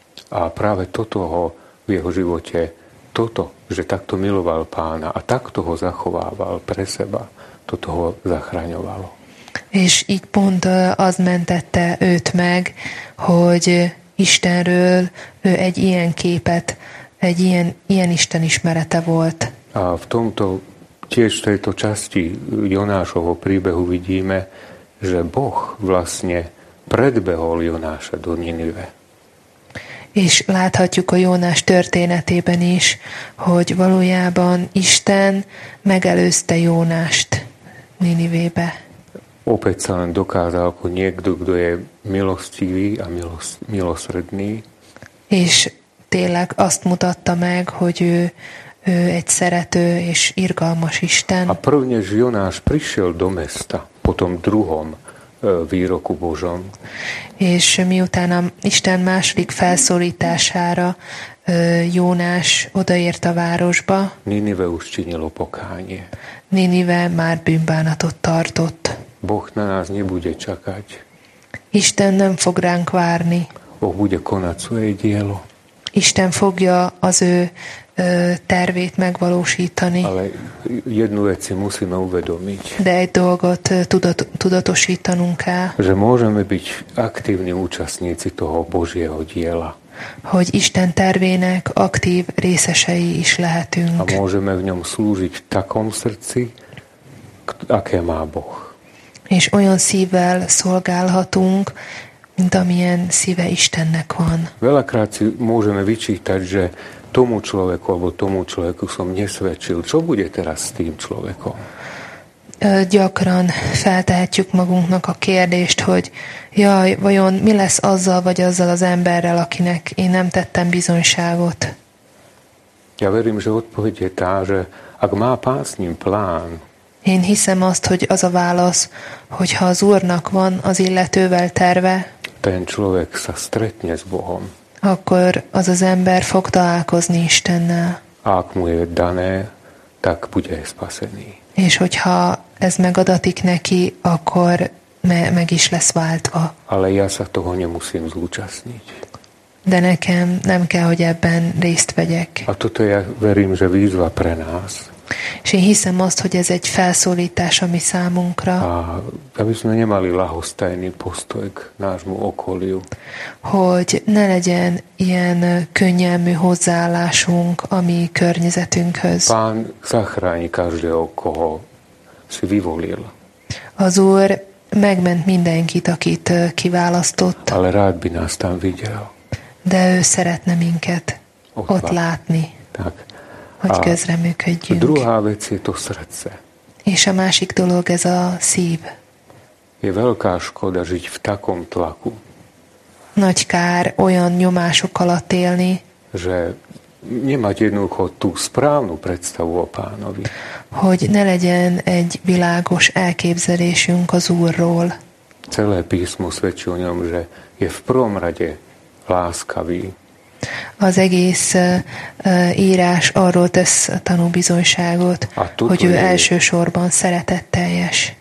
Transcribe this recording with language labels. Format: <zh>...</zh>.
<sk>A práve toto ho v jeho živote, toto, že takto miloval Pána a takto ho zachovával pre seba, toto ho zachraňovalo.</sk> <hu>És így pont az mentette őt meg, hogy Istenről ő egy ilyen képet egy ilyen Isten ismerete volt.</hu> <sk>A v tomto tiež tejto časti Jonášovho príbehu vidíme, že Boh vlastne predbehol Jonáša do Ninive.</sk> <hu>És láthatjuk a Jónás történetében is, hogy valójában Isten megelőzte Jónást Ninivébe.</hu> <sk>Opäť sa len dokázal, ako niekto, kto je milostivý a milosredný.</sk> <hu>És tényleg azt mutatta meg, hogy ő egy szerető és irgalmas Isten.</hu> <sk>A prvnež Jonáš prišiel do mesta, potom druhom výroku Božom.</sk> <hu>És miután Isten második felszólítására Jónás odaért a városba,</hu> <sk>Ninive už činilo pokánie.</sk> <hu>Ninive már bűnbánatot tartott.</hu> <sk>Boh na nás nebude čakať.</sk> <hu>Isten nem fog ránk várni.</hu> <sk>Boh bude konať svoje dielo.</sk> <hu>Isten fogja az ő tervét megvalósítani.</hu> <sk>Ale jednu vec si musíme uvedomiť.</sk> <hu>De egy dolgot tudatosítanunk kell.</hu> <sk>Že môžeme byť aktívni účastníci toho Božieho diela.</sk> <hu>Hogy Isten tervének aktív részesei is lehetünk.</hu> <sk>A môžeme v ňom slúžiť v takom srdci, aké má Boh.</sk> <hu>És olyan szívvel szolgálhatunk, mint amilyen szíve Istennek van.</hu> <sk>Veľakrát si môžeme vyčítať, že tomu človeku alebo tomu človeku som nesvedčil. Čo bude teraz s tým človekom?</sk> <hu>Gyakran feltehetjük magunknak a kérdést, hogy jaj, vajon mi lesz azzal vagy azzal az emberrel, akinek én nem tettem bizonyságot?</hu> <sk>Ja verím, že odpoveď je tá, že ak má Pán s ním plán.</sk> <hu>Én hiszem azt, hogy az a válasz, hogyha az Úrnak van az illetővel terve,</hu> <sk>ten človek sa stretne s Bohom.</sk> <hu>Akkor az az ember fog találkozni Istennel.</hu> <sk>Ak mu je dané, tak bude spasený.</sk> <hu>És hogyha ez megadatik neki, akkor meg is lesz váltva.</hu> <sk>Ale ja sa toho nemusím zúčastniť.</sk> <hu>De nekem nem kell, hogy ebben részt vegyek.</hu> <sk>A toto ja verím, že výzva pre nás.</sk> <hu>És én hiszem azt, hogy ez egy felszólítás a mi számunkra.</hu> <sk>A aby sme nemali lahostajný postoj k nášmu okoliu.</sk> <hu>Hogy ne legyen ilyen könnyelmű hozzáállásunk a mi környezetünkhöz.</hu> <sk>Pán zachráni každého, koho si vyvolil.</sk> <hu>Az Úr megment mindenkit, akit kiválasztott.</hu> <sk>Ale rád by nás tam videl.</sk> <hu>De ő szeretne minket ott látni.</hu> <sk>Tak.</sk> <hu>Hogy közreműködjünk.</hu> <sk>A druhá vec je to srdce.</sk> <hu>És a másik dolog ez a szív.</hu> <sk>Je veľká škoda žiť v takom tlaku.</sk> <hu>Nagy kár olyan nyomások alatt élni.</hu> <sk>Že nemať jednoducho tú správnu predstavu o Pánovi.</sk> <hu>Hogy ne legyen egy világos elképzelésünk az Úrról.</hu> <sk>Celé písmo svedčí o ňom, že je v prvom rade láskavý.</sk> <hu>Az egész írás arról tesz tanúbizonyságot, hogy ő elsősorban szeretetteljes.</hu>